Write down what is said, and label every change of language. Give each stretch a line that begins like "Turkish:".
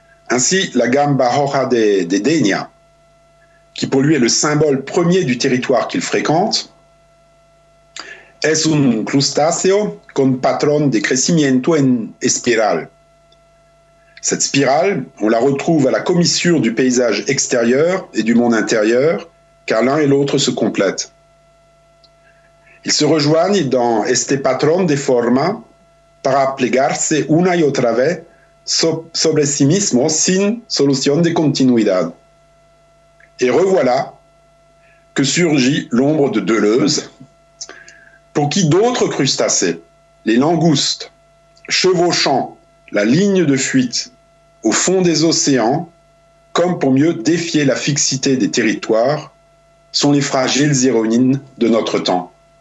French: Ainsi, la gamme Bajora de Denia, qui pour lui est le symbole premier du territoire qu'il fréquente,
Spanish: es un crustáceo con patrón de crecimiento en espiral.
French: Cette spirale, on la retrouve à la commissure du paysage extérieur et du monde intérieur, car l'un et l'autre se complètent. Ils se rejoignent dans
Spanish: este patrón de forma para plegarse una y otra vez sobre sí mismo sin solución de continuidad.
French: Et revoilà que surgit l'ombre de Deleuze, pour qui d'autres crustacés, les langoustes, chevauchant la ligne de fuite au fond des océans, comme pour mieux défier la fixité des territoires, sont les fragiles héroïnes de notre temps.